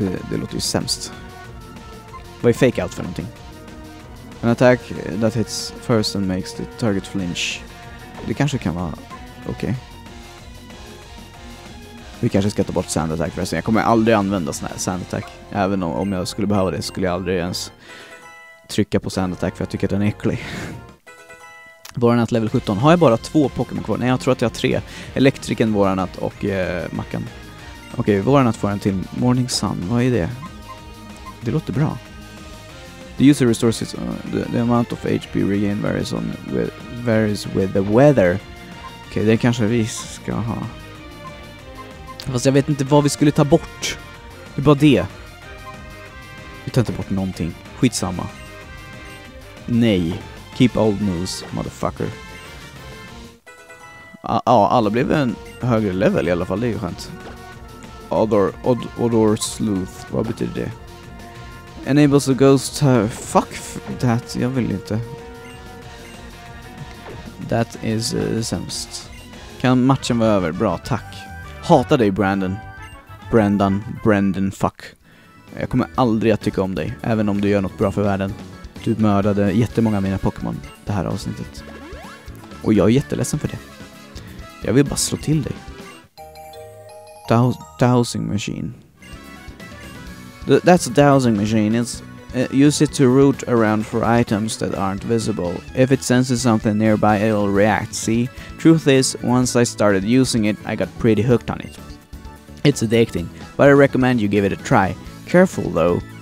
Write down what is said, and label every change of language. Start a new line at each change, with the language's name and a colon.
Swedish: Det låter ju sämst. Vad är fake out för någonting?
English: An attack that hits first and makes the target flinch.
Swedish: Det kanske kan vara okej. Vi kanske ska ta bort sand attack förresten. Jag kommer aldrig använda sån här sand attack. Även om jag skulle behöva det skulle jag aldrig ens trycka på sand attack för jag tycker att den är äcklig. Våranat level 17. Har jag bara två Pokémon kvar? Nej, jag tror att jag har tre. Elektriken, Våranat och Mackan. Okej, Våranat får en till Morning Sun. Vad är det? Det låter bra.
English: The user resources. The amount of HP regain varies with the weather.
Swedish: Okej, det kanske vi ska ha. Fast jag vet inte vad vi skulle ta bort. Det är bara det. Vi tar inte bort någonting. Skitsamma. Nej.
English: Keep old moves, motherfucker.
Swedish: Ja, alla blev en högre level i alla fall. Det är ju skönt.
English: Odor Sleuth.
Swedish: Vad betyder det?
English: Enables a ghost to... Fuck that.
Swedish: Jag vill inte.
English: That is
Swedish: sämst. Kan matchen vara över? Bra, tack. Hatar dig, Brandon. Brandon, fuck. Jag kommer aldrig att tycka om dig. Även om du gör något bra för världen. Du mördade jättemånga av mina Pokémon det här avsnittet. Och jag är jätteledsen för det. Jag vill bara slå till dig.
English: Dowsing machine. That's a dowsing machine. Use it to root around for items that aren't visible. If it senses something nearby, it'll react, see? Truth is, once I started using it, I got pretty hooked on it. It's addicting, but I recommend you give it a try. Careful, though.